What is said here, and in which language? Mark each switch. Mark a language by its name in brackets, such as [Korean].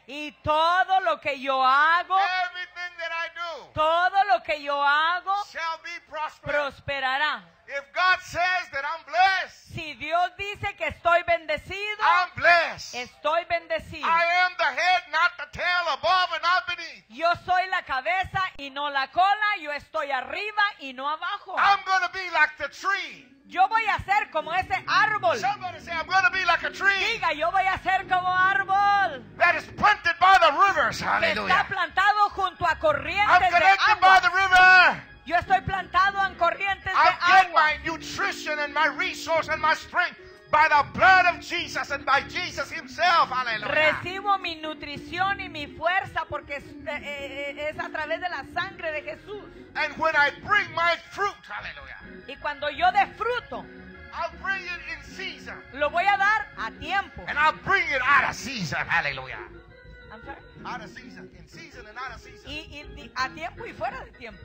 [Spanish] Y todo lo que yo hago. [English] Everything that I do. [Spanish] Todo lo que yo hago. [English] Shall be prosperous. [Spanish] Prosperará. [English] If God says that I'm blessed. [Spanish] Si Dios dice que estoy bendecido. [English] I'm blessed. [Spanish] Estoy bendecido. [English] I am the head, not the tail, above and not beneath. [Spanish] Yo soy la cabeza y no la cola. Yo estoy arriba y no abajo. [English] I'm going to be like the tree. [Spanish] Yo voy a ser como ese árbol. [English] Somebody say, I'm going to be like a tree. [Spanish] Diga, yo voy a ser como árbol. [English] That is planted by the rivers. Hallelujah. [Spanish] Que está plantado junto a corrientes de agua. [English] I'm connected by the river. [Spanish] Yo estoy plantado en corrientes [English] I'll [Spanish] de agua. [English] I'll get my nutrition and my resource and my strength by the blood of Jesus and by Jesus himself. Hallelujah. [Spanish] Recibo mi nutrición y mi fuerza porque es a través de la sangre de Jesús. [English] And when I bring my fruit, hallelujah. [Spanish] Y cuando yo dé fruto, [English] I'll bring it in season. [Spanish] Lo voy a dar a tiempo. [English] And I'll bring it out of season, hallelujah. Out of season, in season and out of [Spanish] season. Y a tiempo y fuera de tiempo.